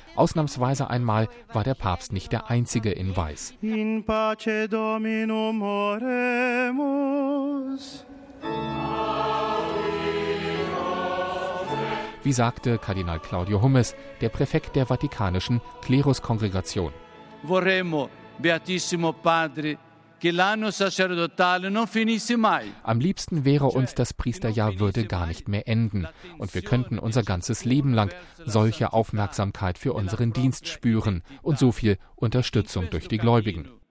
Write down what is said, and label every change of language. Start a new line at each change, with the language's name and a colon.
German: Ausnahmsweise einmal war der Papst nicht der Einzige in Weiß.
Latin: In pace Dominum oremus.
German: Wie sagte Kardinal Claudio Hummes, der Präfekt der Vatikanischen Kleruskongregation.
Italian: Vorremmo, Beatissimo Padre,
German: am liebsten wäre uns, das Priesterjahr würde gar nicht mehr enden und wir könnten unser ganzes Leben lang solche Aufmerksamkeit für unseren Dienst spüren und so viel Unterstützung durch die Gläubigen.